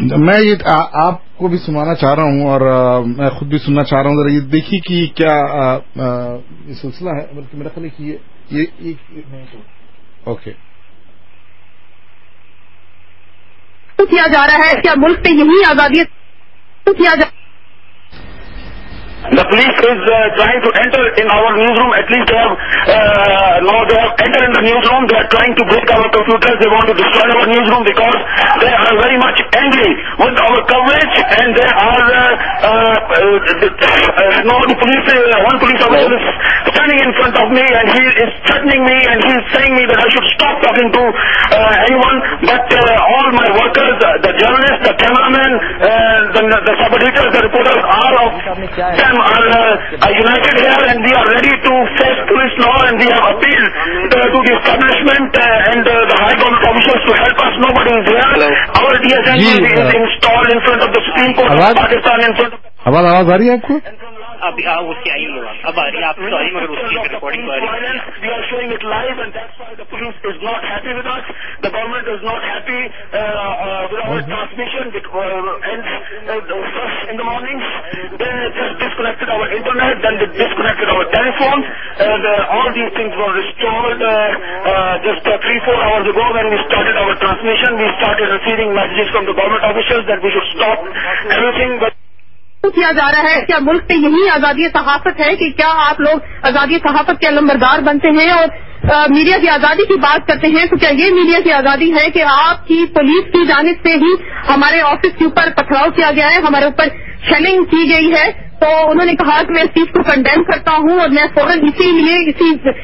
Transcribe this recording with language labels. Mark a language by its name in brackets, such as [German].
[Urdu] میں یہ آپ کو بھی سنانا چاہ رہا ہوں اور میں خود بھی سننا چاہ رہا ہوں, ذرا یہ دیکھیے کہ کیا یہ سلسلہ ہے. بلکہ میرا خیال ہے کہ یہ ایک منٹ ہو. اوکے, کیا جا رہا ہے, کیا ملک میں یہی آزادی کیا جا [English] The police is trying to enter in our newsroom. At least they have entered in the newsroom. They are trying to break our computers. They want to destroy our newsroom because they are very much angry with our coverage, and they are one police officer is standing in front of me and he is threatening me and he is saying me that I should stop talking to anyone, but all my workers, the journalists, the cameramen, the sub editors, the reporters are of them. United here and we are ready to face police law and we have appealed to the establishment and the high government officials to help us. Nobody is here. Hello. Our DSN is installed in front of the Supreme Court of Pakistan. In front of [Urdu] آواز آ رہی ہے آپ کو؟ ابھی اس کی آئی ہوں اب آ رہی ہے آپ کی آئی, مگر اس کی ریکارڈنگ آ رہی ہے. [English] in the morning. They just disconnected our internet, then they disconnected our telephone, and all these things were restored just 3-4 hours ago when we started our transmission. We started receiving messages from the government officials that we should stop everything. But [Urdu] کیا جا رہا ہے کیا ملک میں یہی آزادی صحافت ہے کہ کیا آپ لوگ آزادی صحافت کے علمبردار بنتے ہیں اور میڈیا کی آزادی کی بات کرتے ہیں تو کیا یہ میڈیا کی آزادی ہے کہ آپ کی پولیس کی جانب سے ہی ہمارے آفس کے اوپر پتھراؤ کیا گیا ہے ہمارے اوپر شیلنگ کی گئی ہے تو انہوں نے کہا کہ میں اس چیز کو کنڈیم کرتا ہوں اور میں فوراً اسی لیے اسی